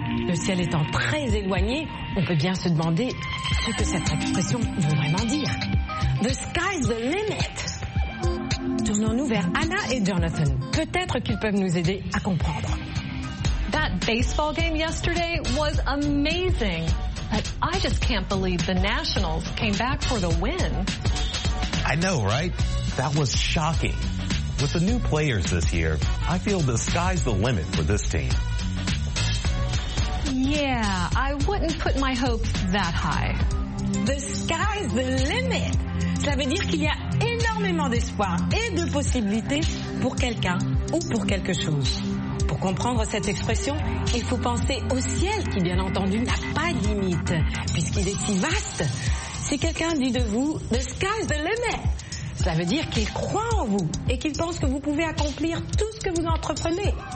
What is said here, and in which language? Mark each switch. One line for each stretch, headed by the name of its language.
French: Le ciel étant très éloigné, on peut bien se demander ce que cette expression veut vraiment dire.
English: The sky's the limit.
French: Tournons-nous vers Anna et Jonathan. Peut-être qu'ils peuvent nous aider à comprendre.
English: That baseball game yesterday was amazing. But I just can't believe the Nationals came back for the win. I know, right? That was shocking. With the new players this year, I feel the sky's the limit for this team. Yeah, I wouldn't put my hopes that high. The sky's the limit.
French: Ça veut dire qu'il y a énormément d'espoir et de possibilités pour quelqu'un ou pour quelque chose. Pour comprendre cette expression, il faut penser au ciel qui, bien entendu, n'a pas de limite, puisqu'il est si vaste. Si quelqu'un dit de vous «
English: The sky's the limit
French: », ça veut dire qu'il croit en vous et qu'il pense que vous pouvez accomplir tout ce que vous entreprenez.